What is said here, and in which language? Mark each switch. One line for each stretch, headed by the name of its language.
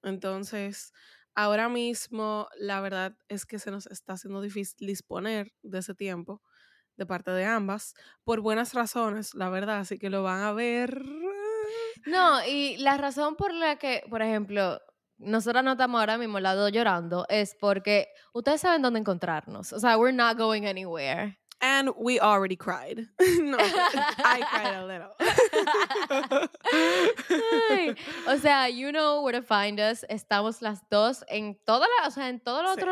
Spanish: Entonces, ahora mismo, la verdad es que se nos está haciendo difícil disponer de ese tiempo de parte de ambas, por buenas razones, la verdad, así que lo van a ver... No, y la razón por la que, por ejemplo, nosotras no estamos ahora mismo lado llorando es porque ustedes saben dónde encontrarnos. O sea,
English: we're not going anywhere. And we already cried. No, I cried a little.
Spanish: Ay, o sea,
English: you know where to find us.
Spanish: Estamos las dos en todo, o sea, en todo el otro